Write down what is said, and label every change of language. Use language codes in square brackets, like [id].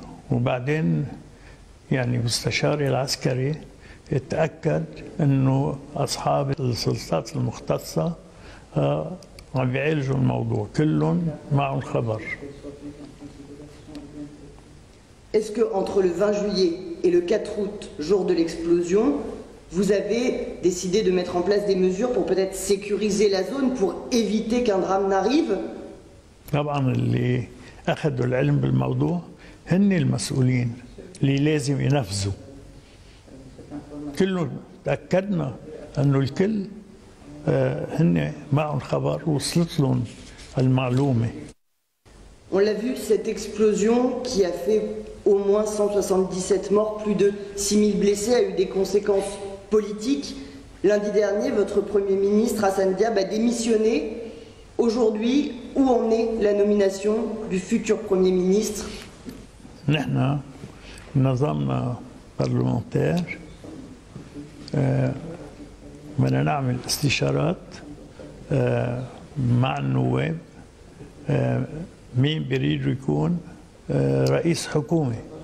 [ar] وبعدين يعني مستشاري العسكري اتأكد انه اصحاب السلطات المختصة عم بيعالجوا الموضوع كلهم معهم خبر. [fr] Est-ce que entre le 20 juillet et le 4 août, jour de l'explosion, vous avez décidé de mettre en place des mesures pour peut-être sécuriser la zone pour éviter qu'un drame n'arrive? [ar] طبعا اللي اخذوا العلم بالموضوع هن المسؤولين اللي لازم ينفذوا. كلنا تأكدنا أنه الكل هن معهم خبر وصلت لهم المعلومة. [fr] On l'a vu, cette explosion qui a fait au moins 177 morts, plus de 6000 blessés, a eu des conséquences politiques. Lundi dernier, votre premier ministre Hassan Diab a démissionné. Aujourd'hui, où en est la nomination du futur premier ministre? [ar] نحن نظامنا parlementaire بدنا نعمل استشارات مع النواب مين بيريد يكون رئيس حكومة